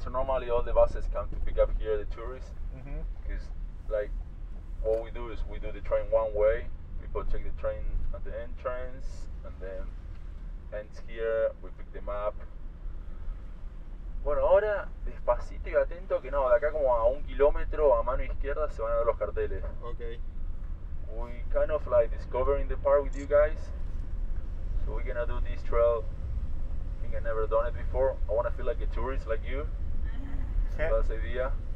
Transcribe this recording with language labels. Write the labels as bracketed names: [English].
[English] So normally all the buses come to pick up here the tourists. Because like what we do is we do the train one way. People check the train at the entrance and then ends here. We pick them up. [Spanish] Bueno, ahora despacito y atento que no, de acá como a un kilómetro a mano izquierda se van a ver los carteles. [English] Okay. We kind of like discovering the park with you guys. So we're gonna do this trail. I think I never done it before. I wanna feel like a tourist like you. So that's the idea.